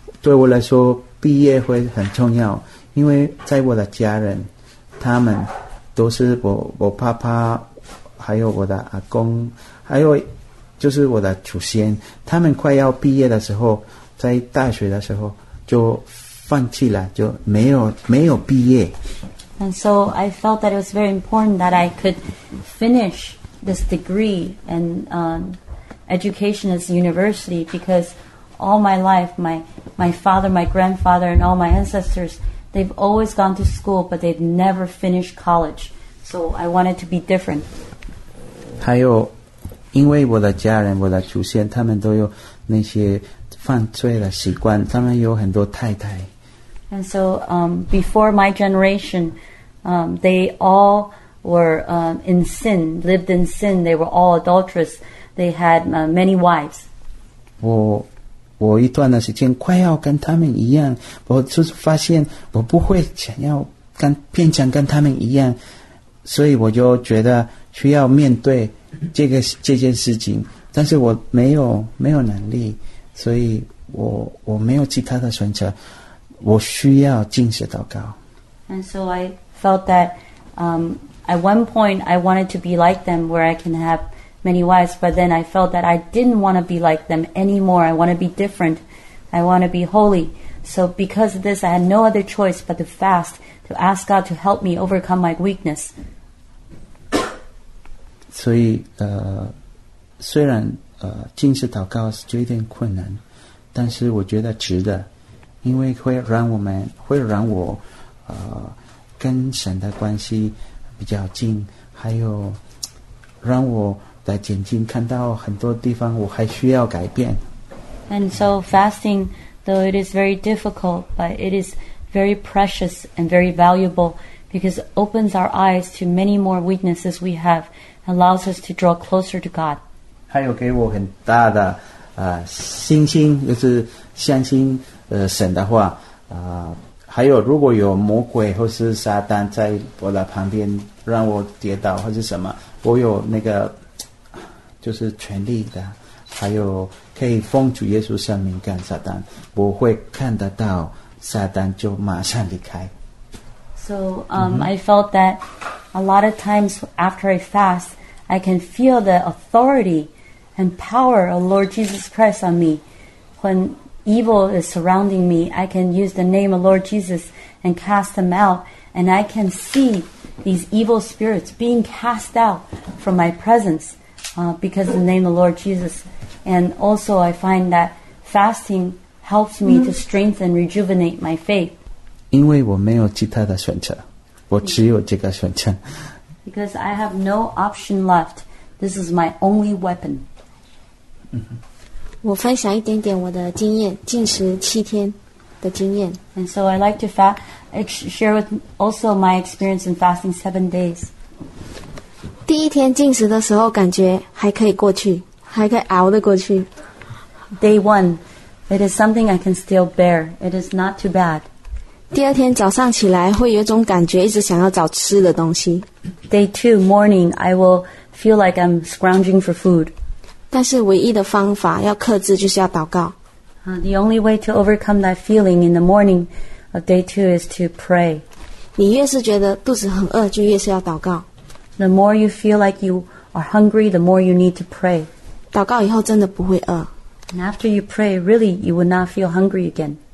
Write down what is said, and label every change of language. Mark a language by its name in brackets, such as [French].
[Chinese] 对我来说，毕业会很重要，因为在我的家人，他们都是我爸爸，还有我的阿公，还有就是我的祖先，他们快要毕业的时候，在大学的时候就放弃了，就没有毕业。 [English] And so I felt that it was very important that I could finish this degree and education at university, because all my life, my father, my grandfather, and all my ancestors, they've always gone to school, but they've never finished college. So I wanted to be different. [Chinese] 还有，因为我的家人、我的祖先，他们都有那些犯罪的习惯，他们有很多太太。 [English] And so, before my generation, they all were in sin, lived in sin. They were all adulterous. They had many wives. [Chinese] 我一段的时间快要跟他们一样，我就是发现我不会想要变成跟他们一样，所以我就觉得需要面对这件事情，但是我没有能力，所以我没有其他的选择。我需要进行祷告。 [English] And so I felt that at one point I wanted to be like them, where I can have many wives, but then I felt that I didn't want to be like them anymore. I want to be different. I want to be holy. So because of this, I had no other choice but to fast, to ask God to help me overcome my weakness. [Chinese] 所以虽然进行祷告是有点困难，但是我觉得值得。因为会让我跟神的关系比较近，还有让我的眼睛看到很多地方我还需要改变。 [English] And so fasting, though it is very difficult, but it is very precious and very valuable, because it opens our eyes to many more weaknesses we have, allows us to draw closer to God. [Chinese] 还有给我很大的信心，就是相信神的话，还有如果有魔鬼或是撒旦在我的旁边让我跌倒或是什么，我有那个就是权力的，还有可以奉主耶稣圣名赶撒旦，我会看得到撒旦就马上离开。 [English] So I felt that a lot of times after I fast, I can feel the authority and power of Lord Jesus Christ on me. When evil is surrounding me, I can use the name of Lord Jesus and cast them out, and I can see these evil spirits being cast out from my presence because of the name of Lord Jesus. And also I find that fasting helps me to strengthen and rejuvenate my faith. [Chinese] 因为我没有其他的选择，我只有这个选择。 [English] Because I have no option left. This is my only weapon. [Chinese] 我分享一点点我的经验，禁食七天的经验。 [English] And so I like to share with also my experience in fasting 7 days. [Chinese] 第一天禁食的时候感觉还可以过去，还可以熬得过去。 [English] Day one, it is something I can still bear. It is not too bad. [Chinese] 第二天早上起来会有一种感觉，一直想要找吃的东西。 [English] Day two, morning, I will feel like I'm scrounging for food. [Chinese] 但是唯一的方法要克制就是要祷告。 [English] The only way to overcome that feeling in the morning of day two is to pray. [Chinese] 你越是觉得肚子很饿就越是要祷告。 [English] The more you feel like you are hungry, the more you need to pray. [Chinese] 祷告以后真的不会饿。 [English] And after you pray, really, you will not feel hungry again.